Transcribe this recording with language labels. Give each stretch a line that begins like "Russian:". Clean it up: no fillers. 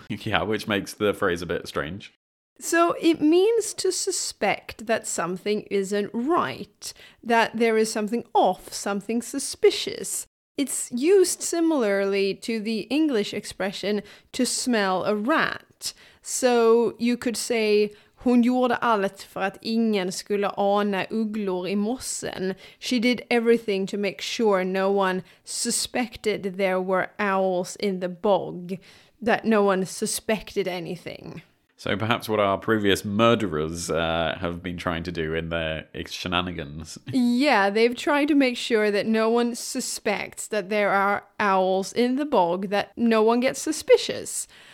English: Yeah, which makes the phrase a bit strange. So it means to suspect that something isn't right, that there is something off, something suspicious. It's used similarly to the English expression to smell a rat. So you could say,
Swedish: hon gjorde allt för att ingen skulle ana ugglor i mossen.
English: She did everything to make sure no one suspected there were owls in the bog, that no one suspected anything. So perhaps what our previous murderers have been trying to do in their shenanigans. Yeah, they've tried to make sure that no one suspects that there are owls in the bog, that no one gets suspicious.